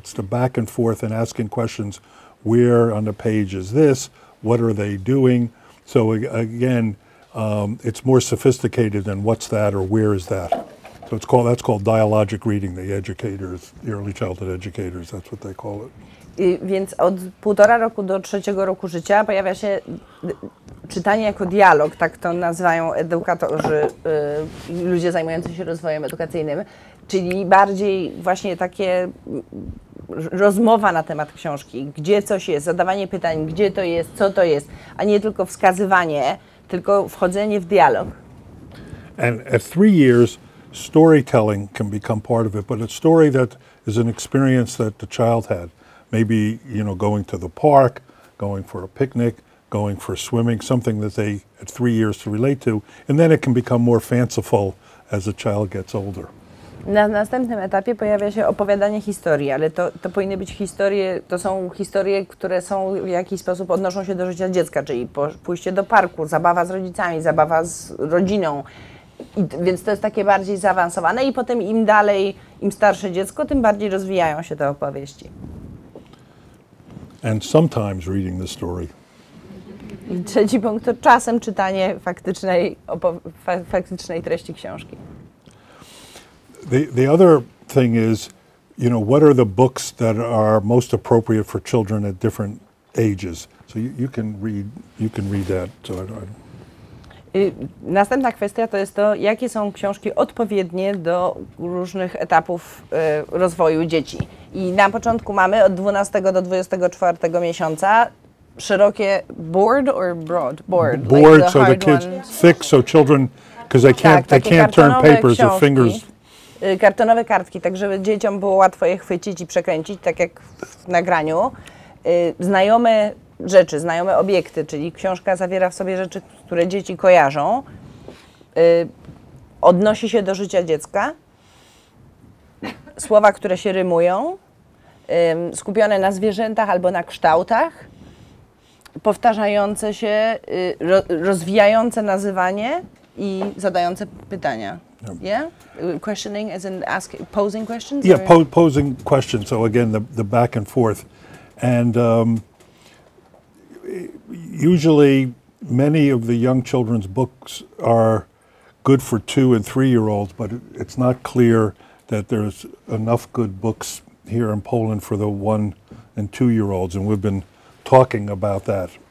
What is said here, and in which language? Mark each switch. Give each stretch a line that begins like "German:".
English: It's the back and forth and asking questions. Where on the page is this? What are they doing? So again, it's more sophisticated than what's that or where is that. So that's called dialogic reading, the early childhood educators, that's what they call it.
Polish: Więc od 1,5 roku do 3 roku życia pojawia się czytanie jako dialog, tak to nazywają edukatorzy, ludzie zajmujący się rozwojem edukacyjnym, czyli bardziej właśnie takie rozmowa na temat książki, gdzie coś jest, zadawanie pytań, gdzie to jest, co to jest, a nie tylko wskazywanie, tylko wchodzenie w dialog.
English: And at 3 years, storytelling can become part of it, but a story that is an experience that the child had. Maybe, you know, going to the park, going for a picnic, going for swimming, something that they at 3 years to relate to, and then it can become more fanciful as a child gets older.
Polish: Na następnym etapie pojawia się opowiadanie historii, ale to powinny być historie, to są historie, które są w jakiś sposób odnoszą się do życia dziecka, czyli pójście do parku, zabawa z rodzicami, zabawa z rodziną. Więc to jest takie bardziej zaawansowane i potem im dalej, im starsze dziecko, tym bardziej rozwijają się te opowieści.
English: And sometimes reading the story.
Polish: I trzeci punkt to czasem czytanie faktycznej treści książki.
English: The other thing is, you know, what are the books that are most appropriate for children at different ages? So you can read that. So
Polish: Następna kwestia to jest to, jakie są książki odpowiednie do różnych etapów rozwoju dzieci. I na początku mamy od 12 do 24 miesiąca szerokie
English: board or broad? Board. Board, like the so hard the kids, ones. Thick, so children, because they can't turn papers,
Polish: książki,
English: their fingers.
Polish: Kartonowe kartki, tak żeby dzieciom było łatwo je chwycić i przekręcić, tak jak w nagraniu. Znajome rzeczy, znajome obiekty, czyli książka zawiera w sobie rzeczy, które dzieci kojarzą, odnosi się do życia dziecka, słowa, które się rymują, skupione na zwierzętach albo na kształtach, powtarzające się, rozwijające nazywanie i zadające pytania.
English: Yeah? Questioning as in asking, posing questions? Yeah, posing questions, so again, the back and forth. And usually many of the young children's books are good for 2 and 3 year olds, but it's not clear that there's enough good books here in Poland for the 1 and 2 year olds, and we've been talking about that.